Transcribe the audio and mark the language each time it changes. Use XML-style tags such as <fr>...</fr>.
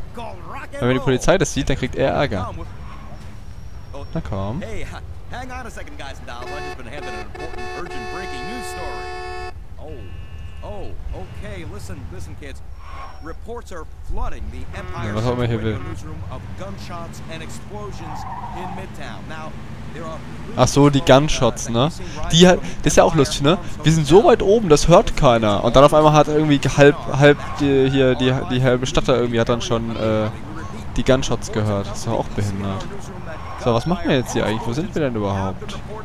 <de>Weil wenn die Polizei das sieht, dann kriegt er Ärger. Na komm.</de> <en>Hey, hang on a second, guys and dolls. I just been having an important, urgent breaking news story. Oh, okay. Listen, kids. Reports are flooding the Empire State newsroom of gunshots and explosions in Midtown. Now, there are.</en> <de>Ach so, die Gunshots, ne? Die hat, das ist ja auch lustig, ne? Wir sind so weit oben, das hört keiner. Und dann auf einmal hat irgendwie halbe Stadt da irgendwie hat dann schon die Gunshots gehört. Das ist ja auch behindert. So, was machen wir jetzt hier eigentlich? Wo sind wir denn überhaupt?</de>